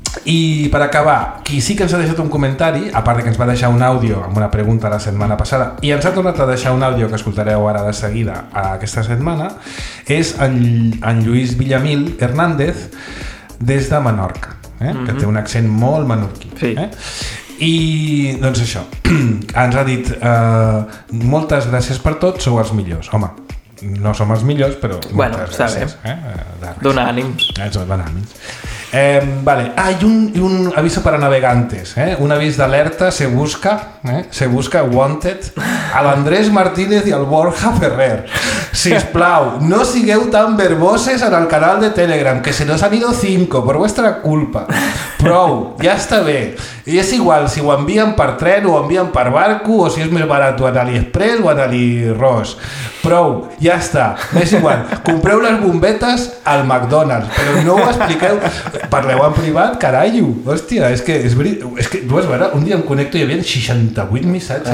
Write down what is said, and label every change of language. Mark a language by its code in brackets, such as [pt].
[ca] I per acabar, qui sí que ens ha deixat un comentari, a part de que ens va deixar un àudio amb una pregunta la setmana passada, i ens ha tornat a deixar un àudio que escoltareu ara de seguida aquesta setmana, és en Lluís Villamil Hernández, des de Menorca, que té un accent molt menorquí. Sí. I doncs això, ens ha dit moltes gràcies per tot, sou els millors. Home, no som els millors, però bueno, està bé. Donar ànims. Donar ànims. Vale. [es] Ah, y un aviso para navegantes, ¿eh? Un aviso de alerta, se busca wanted al Andrés Martínez y al Borja Ferrer. [ca] Sisplau, no sigueu tan verboses en el canal de Telegram, [es] que se nos han ido 5 por vuestra culpa. [ca] Prou, ja està bé. I és igual si ho envien per tren o ho envien per barco o si és més barat o en AliExpress o en AliRoss. Prou, ja està. És igual. Compreu les bombetes al McDonald's, però no ho expliqueu. Parleu en privat, carallo. Hòstia, és que tu vas veure, un dia em connecto i hi havia 68 missatges.